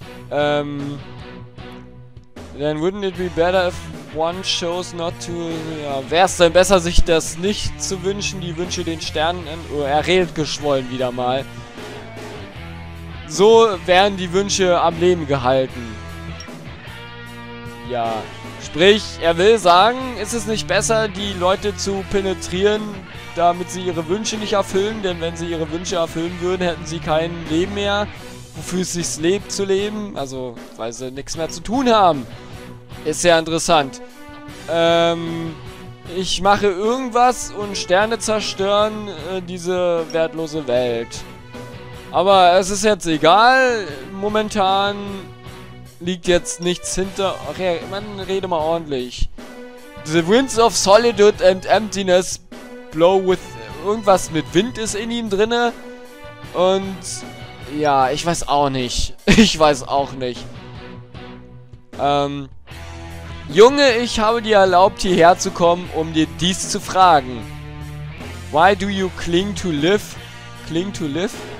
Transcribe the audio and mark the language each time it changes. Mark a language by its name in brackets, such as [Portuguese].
[English] Then wouldn't it be better if one chose not to... [German] Ja, wäre es denn besser, sich das nicht zu wünschen, die Wünsche den Sternen... Oh, er redet geschwollen wieder mal. So wären die Wünsche am Leben gehalten. Ja, sprich, er will sagen, ist es nicht besser, die Leute zu penetrieren, damit sie ihre Wünsche nicht erfüllen? Denn wenn sie ihre Wünsche erfüllen würden, hätten sie kein Leben mehr, wofür es sich lebt zu leben. Also, weil sie nichts mehr zu tun haben. Ist sehr interessant. Ich mache irgendwas und Sterne zerstören diese wertlose Welt. Aber es ist jetzt egal. Momentan liegt jetzt nichts hinter. Ach ja, man rede mal ordentlich. [English] The winds of solitude and emptiness blow with. [German] Irgendwas mit Wind ist in ihm drinne. Und ja, ich weiß auch nicht. Ich weiß auch nicht. Junge, ich habe dir erlaubt, hierher zu kommen, um dir dies zu fragen. [English] Why do you cling to live? Cling to live?